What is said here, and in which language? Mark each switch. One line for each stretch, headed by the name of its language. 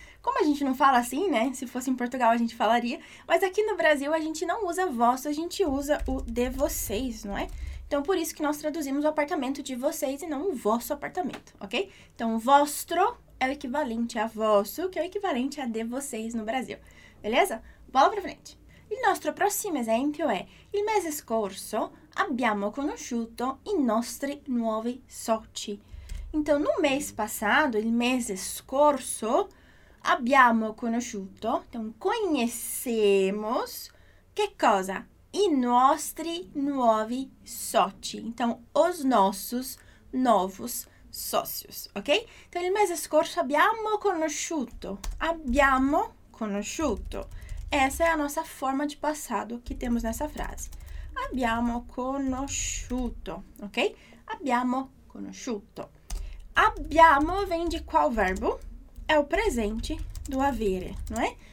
Portuguese: Como a gente não fala assim, né? Se fosse em Portugal, a gente falaria. Mas aqui no Brasil, a gente não usa vosso, a gente usa o de vocês, não é? Então, por isso que nós traduzimos o apartamento de vocês e não o vosso apartamento, ok? Então, vostro é o equivalente a vosso, que é o equivalente a de vocês no Brasil. Beleza? Bola pra frente!
Italian: Il nostro prossimo esempio è: il mese scorso abbiamo conosciuto i nostri nuovi soci.
Portuguese: Então, no mês passato,
Italian: il mese scorso, abbiamo conosciuto,
Portuguese: então, conhecemos,
Italian: che cosa? I nostri nuovi soci.
Portuguese: Então, os nossos novos sócios, ok?
Italian: Então, il mese scorso abbiamo conosciuto. Abbiamo conosciuto.
Portuguese: Essa é a nossa forma de passado que temos nessa frase.
Italian: Abbiamo conosciuto, ok? Abbiamo conosciuto.
Portuguese: Abbiamo vem de qual verbo? É o presente do avere, não é?